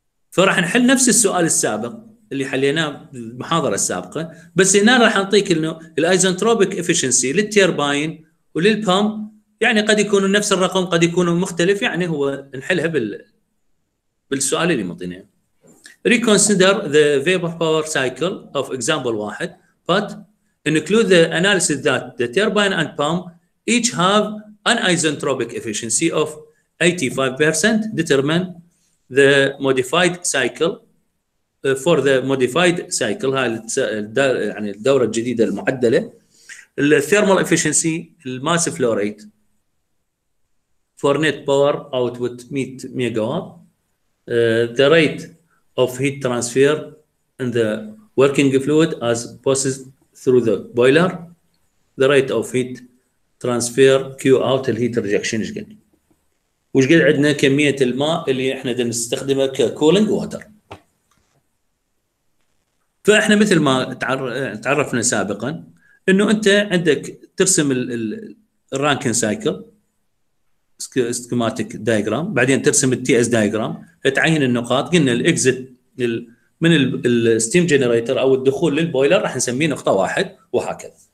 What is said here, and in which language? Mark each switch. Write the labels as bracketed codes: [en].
[ar] فراح نحل نفس السؤال السابق اللي حليناه بالمحاضره السابقه، بس هنا راح نعطيك انه الايزونتروبيك افشنسي للتيرباين وللبام يعني قد يكون نفس الرقم قد يكون مختلف، يعني هو نحلها بالسؤال اللي معطيناه. [en] Reconsider the vapor power cycle of example 1 but include the analysis that the turbine and pump each have an isentropic efficiency of 85% determine the modified cycle for the modified cycle [ar] هاي يعني الدورة الجديدة المعدلة الثيرمال افشنسي الماس فلو ريت [en] for net power output 100 megawatt the rate of heat transfer in the working fluid as passes through the boiler the rate of heat transfer q out [ar] الهيت ريجكشن ايش قد وش قد عندنا كميه الماء اللي احنا بدنا نستخدمها ككولينج ووتر. فاحنا مثل ما تعرفنا سابقا انه انت عندك ترسم الرانكين سايكل سكيماتيك دايجرام، بعدين ترسم التي اس دايجرام، تعين النقاط، قلنا الاكزيت من الستيم جنريتر او الدخول للبويلر راح نسميه نقطه واحد وهكذا.